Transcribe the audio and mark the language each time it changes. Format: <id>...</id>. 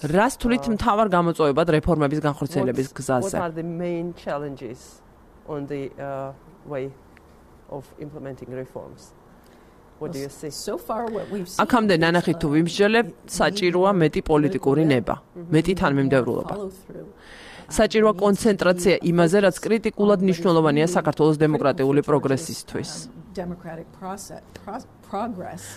<ka>რას თulit მთავარ გამოწვევებად რეფორმების განხორციელების გზაზე?</ka> <en>What are the main challenges on the way of implementing reforms? What do you see? So far what we've seen.</en> <ka>აქამდე ნანახი თუ ვიმსჯელებ, საჭიროა მეტი პოლიტიკური ნება, მეტი თანმიმდევრულობა. საჭიროა კონცენტრაცია იმაზე, რაც კრიტიკულად მნიშვნელოვანია საქართველოს დემოკრატიული პროგრესისთვის.</ka> <en>Democratic progress.</en>